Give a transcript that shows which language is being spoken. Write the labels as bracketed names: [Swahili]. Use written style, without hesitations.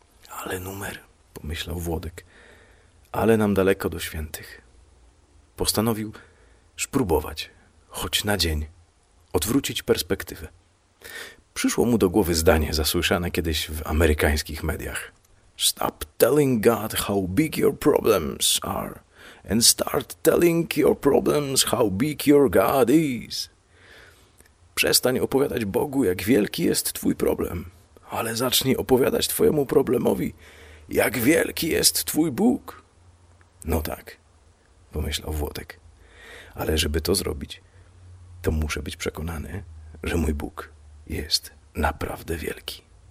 [Polish] Ale numer, pomyślał Włodek, ale nam daleko do świętych. Postanowił spróbować, choć na dzień, odwrócić perspektywę. Przyszło mu do głowy zdanie zasłyszane kiedyś w amerykańskich mediach. [English] Stop telling God how big your problems are and start telling your problems how big your God is. [Polish] Przestań opowiadać Bogu, jak wielki jest twój problem, ale zacznij opowiadać twojemu problemowi, jak wielki jest twój Bóg. No tak, pomyślał Włodek, ale żeby to zrobić, to muszę być przekonany, że mój Bóg jest naprawdę wielki.